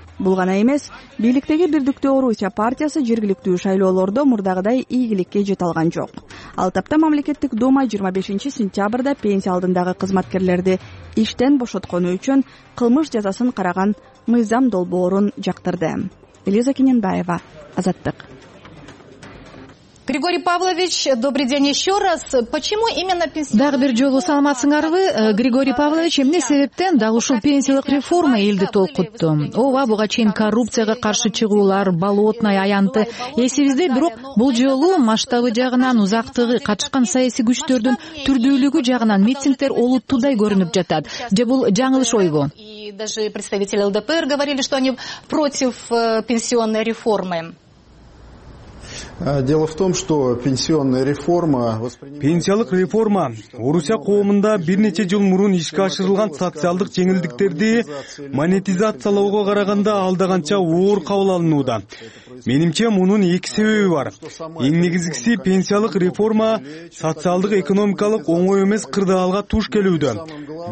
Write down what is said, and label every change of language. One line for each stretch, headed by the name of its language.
Kyrgyz: Бул гана эмес, бийликтеги бирдиктүү Орусия партиясы жергиликтүү шайлоолордо мурдагыдай ийгиликке жете алган жок. Ал тапта мамлекеттик дума 25 сентябрда пенсия алдындагы кызматкерлерди иштен бошоткону үчүн кылмыш жазасын караган мыйзам долбоорун жактырды. Элиза Кененбаева, Азаттык.
Russian: Григорий Павлович, добрый день еще раз. Почему именно пенсионеры?
Kyrgyz: Дагы бир жолу саламатсыңарбы, Григорий Павлович, эмне себептен дал ушул пенсиялык реформа элди толкутту? Ооба, буга чейин коррупцияга каршы чыгуулар, болотной аянты эсибизде, бирок бул жолу масштабы жагынан, узактыгы, катышкан саясий күчтөрдүн түрдүүлүгү жагынан митингдер олуттуудай көрүнүп жатат. Же бул жаңылыш ойбу?
Russian: И даже представители ЛДПР говорили, что они против пенсионной реформы. Дело в том, что пенсионная реформа воспринимается...
Kyrgyz: Пенсиялык реформа Орусия коомунда бир нече жыл мурун ишке ашырылган социалдык жеңилдиктерди монетизациялоого караганда алдаганча оор кабыл алынууда. Менимче мунун эки себеби бар. Эң негизгиси, пенсиялык реформа социалдык экономикалык оңой эмес кырдаалга туш келүүдө.